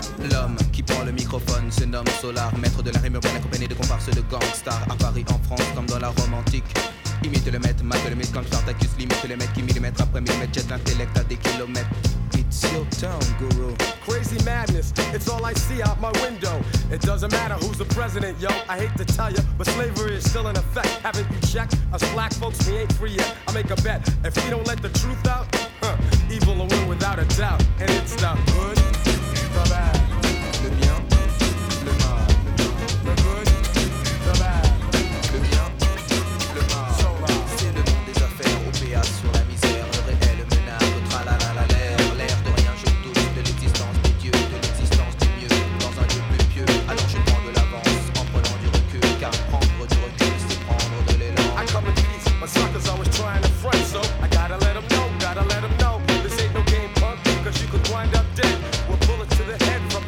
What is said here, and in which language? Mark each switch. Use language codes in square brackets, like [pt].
[fr] L'homme qui prend le microphone se nomme Solar, maître de la rime urbaine accompagné de comparses de gangstar. À Paris, en France, comme dans la Rome antique, imite le maître, mate le mythe comme Spartacus. Limite le maître qui millimètre après millimètre jette l'intellect à des kilomètres. [en] It's your town, guru. Crazy madness, it's all I see out my window. It doesn't matter who's the president, yo. I hate to tell you, but slavery is still in effect. Haven't you checked? Us black folks, we ain't free yet. I make a bet, if we don't let the truth out, evil will win without a doubt. And it's not good. The bad, [fr] le bien, le mal, [en] the good, the bad, [fr] le bien, le mal. [en] So long. [fr] C'est le monde des affaires, OPA sur la misère, le réel menace, tra la la la l'air, l'air de rien, je touche de l'existence des dieux, de l'existence du mieux, dans un lieu plus pieux. Alors je prends de l'avance en prenant du recul, car prendre du recul, c'est prendre de l'élan. [en] I come in peace, my suckers always trying to front, so I gotta let them know, gotta let them know. This ain't no game punk, cause you could wind up dead. To the head.